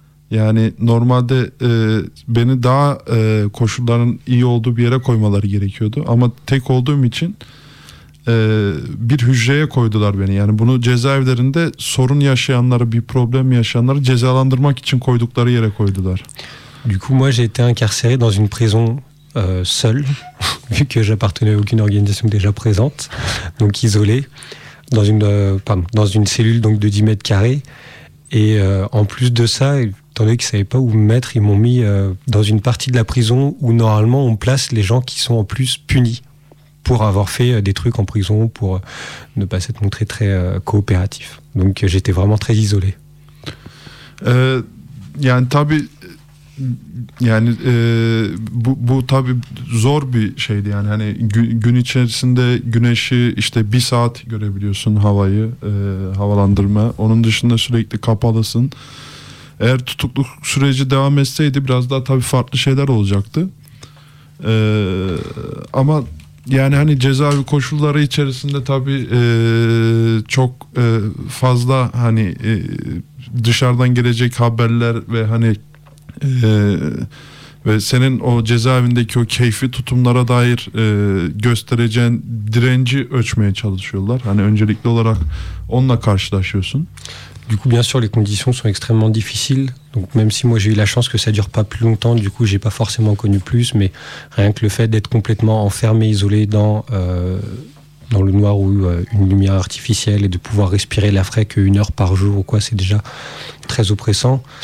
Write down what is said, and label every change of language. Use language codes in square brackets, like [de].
[tr] Yani normalde beni daha koşulların iyi olduğu bir yere koymaları gerekiyordu. Ama tek olduğum için bir hücreye koydular beni. Yani bunu cezaevlerinde sorun yaşayanları, bir problem yaşayanları cezalandırmak için koydukları yere koydular. [fr] Du coup moi j'ai été incarcéré dans une prison seule vu que j'appartenais à aucune organisation déjà présente, donc isolé dans une cellule donc de 10 mètres carrés et en plus de ça, étant donné qu'ils ne savaient pas où me mettre, ils m'ont mis dans une partie de la prison où normalement on place les gens qui sont en plus punis pour avoir fait des trucs en prison, pour ne pas s'être montré très coopératif. Donc j'étais vraiment très isolé. [tr] Yani tabii yani bu tabii zor bir şeydi yani. Hani gün içerisinde güneşi işte bir saat görebiliyorsun, havayı, havalandırma. Onun dışında sürekli kapalısın. Eğer tutukluk süreci devam etseydi biraz daha tabii farklı şeyler olacaktı. Ama yani hani cezaevi koşulları içerisinde tabii çok fazla hani dışarıdan gelecek haberler ve hani ve senin o cezaevindeki o keyfi tutumlara dair göstereceğin direnci ölçmeye çalışıyorlar. Hani öncelikli olarak onunla karşılaşıyorsun. [fr] Du coup bien sûr les conditions sont extrêmement difficiles. Donc même si moi j'ai eu la chance que ça dure pas plus longtemps, du coup j'ai pas forcément connu plus, mais rien que le fait d'être complètement enfermé, isolé dans le noir ou une lumière artificielle et de pouvoir respirer l'air frais qu'une heure par jour ou quoi, c'est déjà très oppressant.